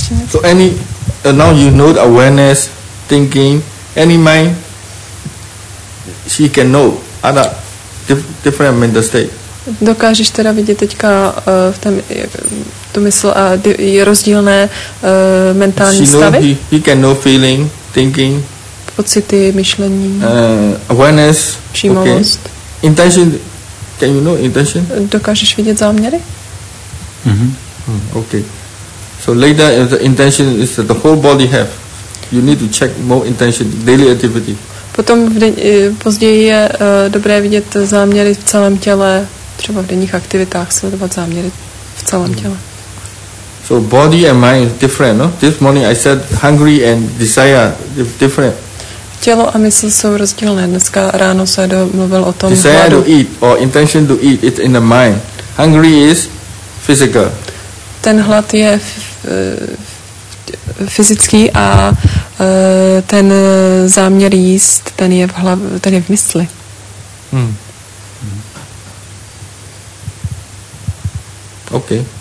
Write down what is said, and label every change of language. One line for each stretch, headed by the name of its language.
English: So any now you know the awareness, thinking, any mind, she can know other different mental state.
Czech: Dokážeš teda vidět teďka v tom tu mysl a je rozdílné mentální
English: she
Czech: stavy?
English: He can know feeling, thinking.
Czech: Pocity, myšlení.
English: Awareness.
Czech: Všímavost.
English: Okay. Intention. Can you know intention?
Czech: Dokážeš vidět záměry?
English: Mm-hmm. Okay. So later, the intention is that the whole body have. You need to check more intention, daily activity.
Czech: Potom později je dobré vidět záměry v celém těle, třeba v denních aktivitách sledovat záměry v celém těle.
English: So body and mind is different, no? This morning I said hungry and desire is different.
Czech: Tělo a mysl jsou rozdílné. Dneska ráno se mluvil o tom.
English: Desire hladu. To eat or intention to eat, it's in the mind. Hungry is physical.
Czech: Ten hlad je fyzický a ten záměr jíst, ten je v mysli.
English: OK.